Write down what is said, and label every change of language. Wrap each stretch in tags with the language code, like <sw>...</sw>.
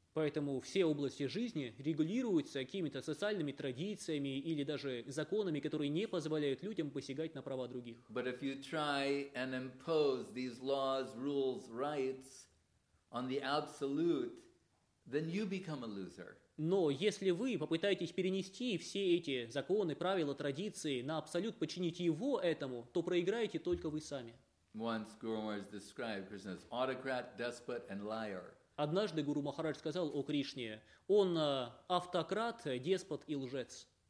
<ru>Поэтому все области жизни регулируются какими-то социальными традициями или даже законами, которые не позволяют людям посягать на права других.</ru> <en>But if you try and impose these laws, rules, rights on the absolute, then you become a loser.</en> <ru>Но если вы попытаетесь перенести все эти законы, правила, традиции на абсолют, подчинить его этому, то проиграете только вы сами.</ru> <en>Once Guru Maharaj described Krishna as autocrat, despot, and liar.</en> <ru>Однажды Гуру Махарадж сказал о Кришне, он автократ, деспот и лжец.</ru>